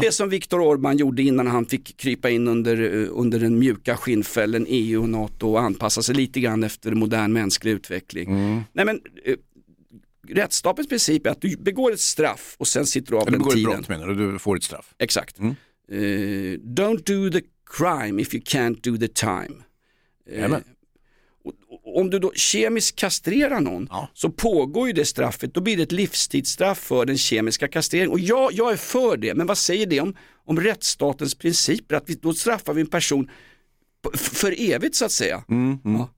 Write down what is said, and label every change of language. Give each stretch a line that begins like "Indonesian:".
Swedish: Det som Viktor Orbán gjorde innan han fick krypa in under den mjuka skinnfällen EU och NATO och anpassa sig lite grann efter modern mänsklig utveckling. Mm. Nej, men rättsstatens princip är att du begår ett straff och sen sitter du av den tiden. Du begår ett brott, menar du? Du får ett straff. Exakt. Mm.
English: Don't do the crime if you can't do the time.
Swedish: Om du då kemiskt kastrerar någon, ja, så pågår ju det straffet. Då blir det ett livstidsstraff för den kemiska kastreringen. Och jag är för det. Men vad säger det om rättsstatens principer? Att då straffar vi en person för evigt, så att säga. Mm, mm. Ja.